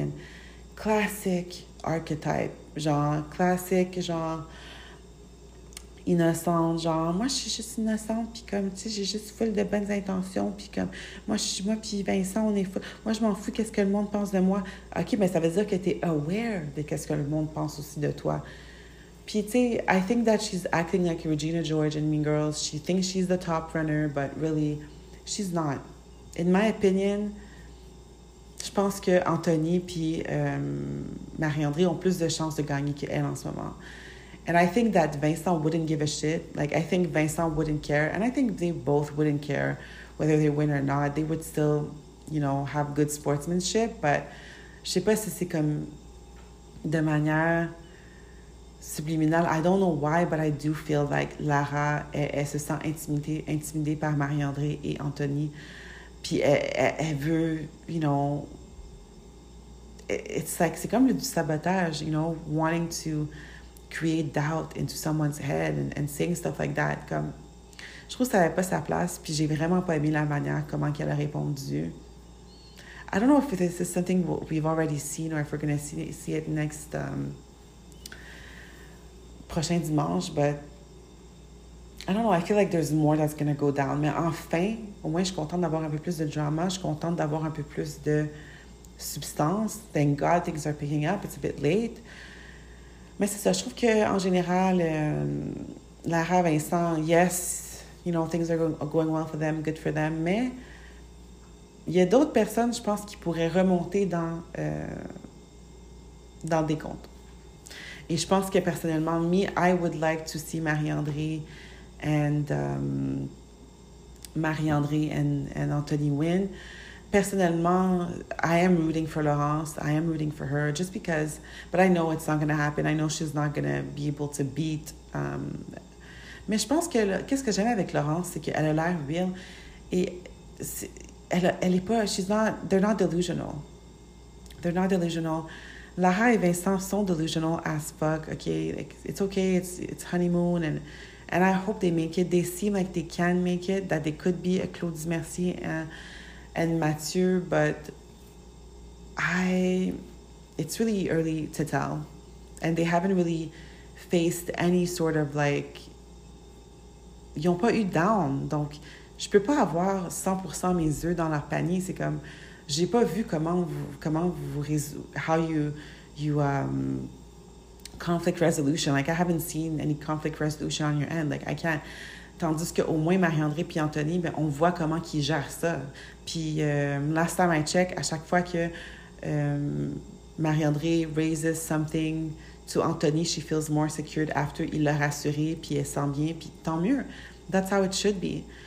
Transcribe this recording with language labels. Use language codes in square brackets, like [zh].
[en] And classic archetype. Genre, classic, genre... [fr] innocente, genre, moi, je suis juste innocente, puis comme, tu sais, j'ai juste full de bonnes intentions, puis comme, moi, puis Vincent, on est full, moi, je m'en fous qu'est-ce que le monde pense de moi. OK, mais ça veut dire que t'es aware de qu'est-ce que le monde pense aussi de toi. Puis, tu sais, [en] I think that she's acting like Regina George in Mean Girls. She thinks she's the top runner, but really, she's not. In my opinion, [fr] je pense que Anthony puis Marie-André ont plus de chances de gagner qu'elle en ce moment. [en] And I think that Vincent wouldn't give a shit. Like, I think Vincent wouldn't care. And I think they both wouldn't care whether they win or not. They would still, you know, have good sportsmanship. [fr] But je sais pas si c'est comme de manière subliminale. [en] I don't know why, but I do feel like Lara, [fr] elle se sent intimidée par Marie-André et Anthony. Puis elle veut, [en] you know, it's like, [fr] c'est comme du sabotage, [en] you know, wanting to create doubt into someone's head and saying stuff like that. [fr] Comme, je trouve que ça n'avait pas sa place, puis j'ai vraiment pas aimé la manière comment qu'elle a répondu. [en] I don't know if this is something we've already seen or if we're going to see it next [fr] prochain dimanche, [en] but I don't know, I feel like there's more that's going to go down. [fr] Mais enfin, au moins, je suis contente d'avoir un peu plus de drama, je suis contente d'avoir un peu plus de substance. [en] Thank God things are picking up, it's a bit late. [fr] Mais c'est ça, je trouve qu'en général, Lara, Vincent, [en] yes, you know, things are going well for them, [fr] good for them, mais il y a d'autres personnes, je pense, qui pourraient remonter dans des comptes. Et je pense que personnellement, [en] me, I would like to see Marie-André and Anthony win. [fr] Personnellement, [en] I am rooting for Laurence. I am rooting for her just because, but I know it's not going to happen. I know she's not going to be able to beat. [fr] Mais je pense que, qu'est-ce que j'aime avec Laurence, c'est qu'elle a l'air real. Et elle est pas, [en] she's not, they're not delusional. They're not delusional. [fr] Lara et Vincent sont [en] delusional as fuck, okay? Like, it's okay, it's honeymoon, and I hope they make it. They seem like they can make it, that they could be a Claude Dumercier and Mathieu, but it's really early to tell. And they haven't really faced any sort of, like, [fr] ils ont pas eu down. Donc, je peux pas avoir 100% mes œufs dans leur panier. C'est comme, j'ai pas vu conflict resolution. [en] Like, I haven't seen any conflict resolution on your end. Like, I can't. [fr] Tandis qu'au moins Marie-André puis Anthony, ben, on voit comment qu'ils gèrent ça. [en] Puis, last time I check, [fr] à chaque fois que Marie-André [en] raises something to Anthony, she feels more secured after [fr] il l'a rassuré, puis elle sent bien, puis tant mieux. [en] That's how it should be.